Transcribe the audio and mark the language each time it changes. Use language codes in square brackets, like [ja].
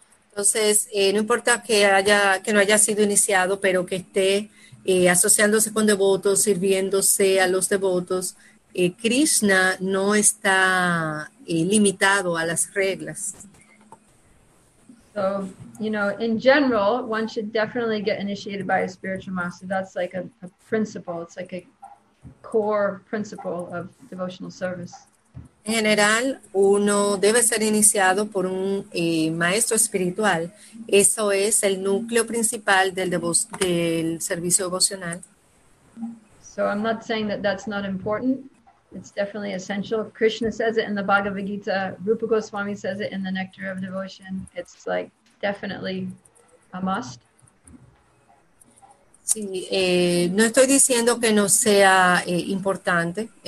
[es] Entonces, no importa que no haya sido iniciado, pero que esté asociándose con devotos, sirviéndose a los devotos, Krishna no está limitado a las reglas. [en] So, you know, in general, one should definitely get initiated by a spiritual master. That's like a principle. It's like a core principle of devotional service. [es] En general, uno debe ser iniciado por un maestro espiritual. Eso es el núcleo principal del servicio devocional. [en] So I'm not saying that that's not important. It's definitely essential. Krishna says it in the Bhagavad Gita. Rupa Goswami says it in the Nectar of Devotion. It's like definitely a must. [es] Sí, no estoy diciendo que no sea importante.